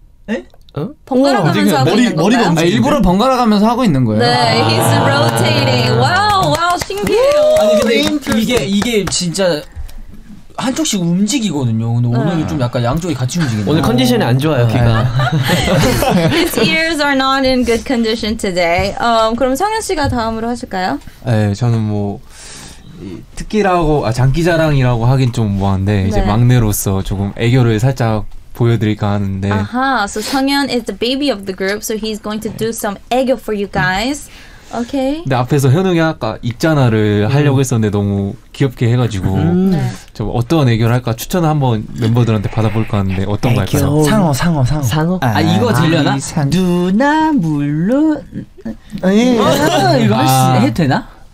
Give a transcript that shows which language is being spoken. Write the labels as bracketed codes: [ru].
[ko] 에? 어? 번갈아 가면서 하고 있는 거예요. 머리가 움직이는데? 아, 일부러 번갈아 가면서 하고 있는 거예요. 네, [en] he's rotating. [ko] 와우, 와우, 신기해요. 아니 근데 이게 진짜 한쪽씩 움직이거든요. 근데 오늘은 좀 약간 양쪽이 같이 움직이네요. 오늘 컨디션이 안 좋아요, 귀가. [en] His ears are not in good condition today. [ko] 그럼 성현 씨가 다음으로 하실까요? 네, 저는 뭐 특기라고 장기 자랑이라고 하긴 좀 뭐한데 네. 이제 막내로서 조금 애교를 살짝 보여드릴까 하는데. [en] 아하, so 성현 is the baby of the group, so he's going to do some 애교 for you guys. Okay. [ko] 근데 앞에서 현웅이 아까 있잖아를 하려고 했었는데 너무 귀엽게 해가지고 좀 어떤 애교를 할까 추천을 한번 멤버들한테 받아볼까 하는데 어떤 애교. 거 할까요? 상어 상어 상어 상어? 아 이거 들려나? 누나 물로 이거 해도 되나?